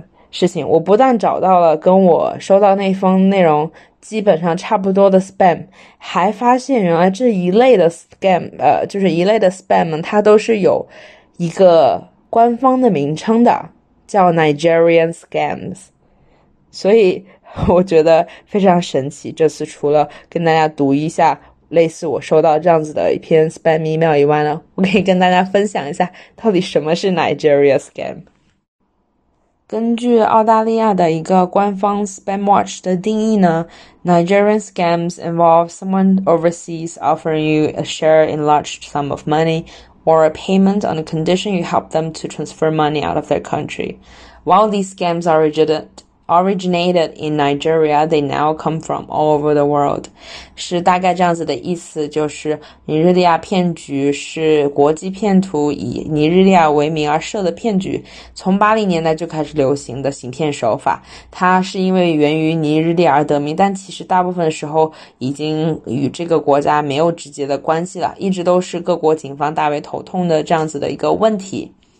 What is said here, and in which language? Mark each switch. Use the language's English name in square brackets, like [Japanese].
[Chinese] 事情，我不但找到了跟我收到那封内容基本上差不多的 spam，还发现原来这一类的 scam，就是一类的 spam，它都是有一个官方的名称的，叫 Nigerian scams。所以我觉得非常神奇，这次除了跟大家读一下类似我收到这样子的一篇 spam email 以外呢，我可以跟大家分享一下到底什么是 Nigeria scam。根据澳大利亚的一个官方 Spam Watch 的定义呢， [English] Nigerian scams involve someone overseas offering you a share in large sum of money or a payment on the condition you help them to transfer money out of their country. While these scams originated in Nigeria, they now come from all over the world. [Chinese] 是大概这样子的意思，就是尼日利亚骗局是国际骗徒以尼日利亚为名而设的骗局，从80年代就开始流行的行骗手法。它是因为源于尼日利亚而得名，但其实大部分时候已经与这个国家没有直接的关系了，一直都是各国警方大为头痛的这样子的一个问题。